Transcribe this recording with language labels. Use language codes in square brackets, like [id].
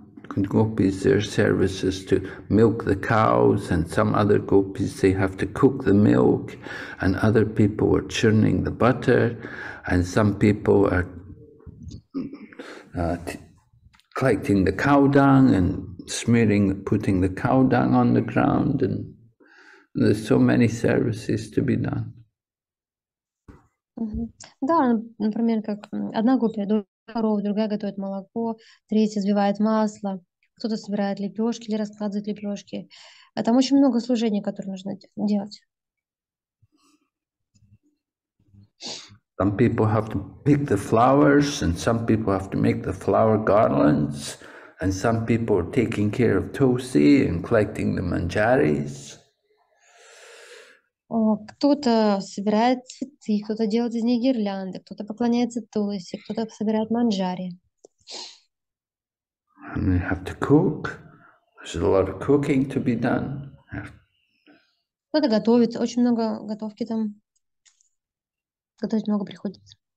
[en] Some gopis, their services to milk the cows, and some other gopis, they have to cook the milk, and other people are churning the butter, and some people are collecting the cow dung and smearing, putting the cow dung on the ground, and there's so many services to be done. [ru] Да, например, как одна гопи доит корову, другая готовит молоко, третья взбивает масло, кто-то собирает лепешки или раскладывает лепешки. А там очень много служений, которые нужно делать. [en] Some people have to pick the flowers, and some people have to make the flower garlands, and some people are taking care of tosi and collecting the manjaris. [ru] Кто-то собирает цветы, кто-то делает из них гирлянды, кто-то поклоняется тулоси, кто-то собирает манджари. [en] And they have to cook. There's a lot of cooking to be done. [ru] Кто-то готовит, очень много готовки там. Готовить много приходится.